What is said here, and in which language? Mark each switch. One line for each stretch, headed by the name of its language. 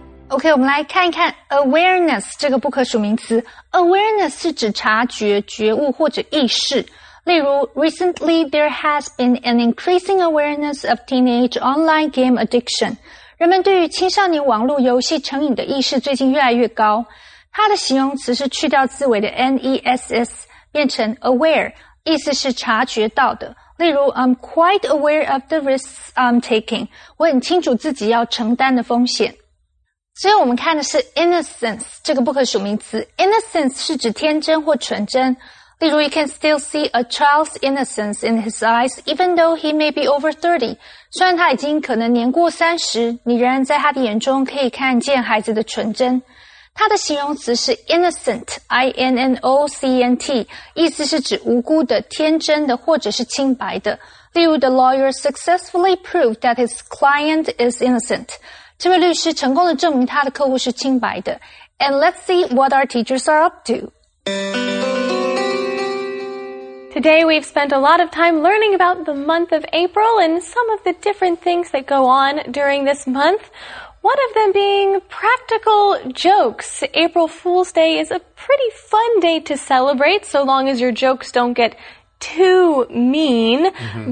Chinese: OK, 我们来看一看 awareness 这个不可数名词。 Awareness 是指察觉、觉悟或者意识。例如
English: ,recently there has been an increasing awareness of teenage online game addiction.
Chinese: 人们对于青少年网络游戏成瘾的意识最近越来越高。它的形容词是去掉字尾的 N-E-S-S, 变成 aware, 意思是察觉到的。例如
English: ,I'm quite aware of the risks I'm taking.
Chinese: 我很清楚自己要承担的风险。所以我们看的是 innocence 这个不可数名词。Innocence 是指天真或纯真。例如
English: ,you can still see a child's innocence in his eyes even though he may be over 30.
Chinese: 虽然他已经可能年过三十，你仍然在他的眼中可以看见孩子的纯真。它的形容词是 innocent, I-N-N-O-C-E-N-T, 意思是指无辜的、天真的或者是清白的。例如
English: ,the lawyer successfully proved that his client is innocent.
Chinese: 这位律师成功地证明他的客户是清白的。
English: And let's see what our teachers are up to. Today we've spent a lot of time learning about the month of April and some of the different things that go on during this month. One of them being practical jokes. April Fool's Day is a pretty fun day to celebrate, so long as your jokes don't get too mean. Mm-hmm.